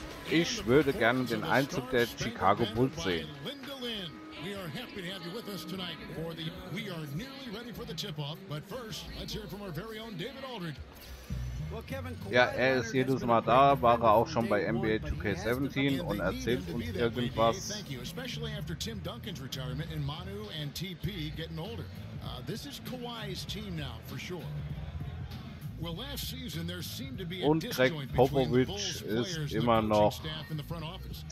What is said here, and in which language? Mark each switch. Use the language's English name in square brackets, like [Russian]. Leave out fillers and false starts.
[German] Ich würde gerne den Einzug der Chicago Bulls sehen. [English] We are happy to have you with us tonight for the we are nearly ready for the tip off, but first let's hear from our very own David Aldridge. [German] Ja, er ist jedes Mal da, war er auch schon bei NBA 2K17 und erzählt uns irgendwas. [English] Especially after Tim Duncan's retirement and Manu and TP getting older. This is Kawhi's team now for sure. Well, last season there seemed to be a disjoint between the Bulls players and the coaching staff in the front office.